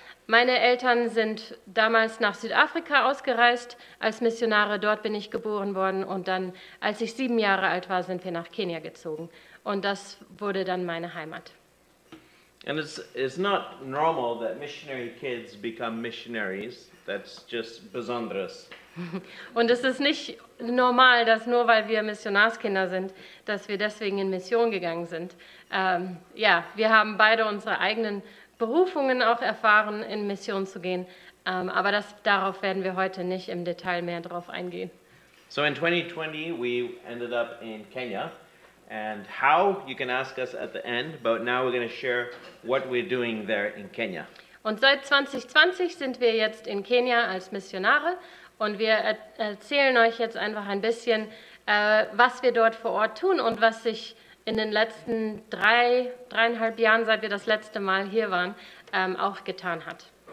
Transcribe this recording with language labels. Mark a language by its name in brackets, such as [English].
[German] Meine Eltern sind damals nach Südafrika ausgereist als Missionare, dort bin ich geboren worden und dann, als ich 7 Jahre alt war, sind wir nach Kenia gezogen und das wurde dann meine Heimat. [English] And it's not normal that missionary kids become missionaries. That's just besonderes. [German] Und es ist nicht normal, dass nur weil wir Missionarskinder sind, dass wir deswegen in Mission gegangen sind. Wir haben beide unsere eigenen Berufungen auch erfahren, in Mission zu gehen. Aber darauf werden wir heute nicht im Detail mehr drauf eingehen. [English] So in 2020 we ended up in Kenya. And how, you can ask us at the end, but now we're going to share what we're doing there in Kenya. [German] Und seit 2020 sind wir jetzt in Kenia als Missionare und wir erzählen euch jetzt einfach ein bisschen, was wir dort vor Ort tun und was sich in den letzten 3, 3,5 Jahren, seit wir das letzte Mal hier waren, auch getan hat.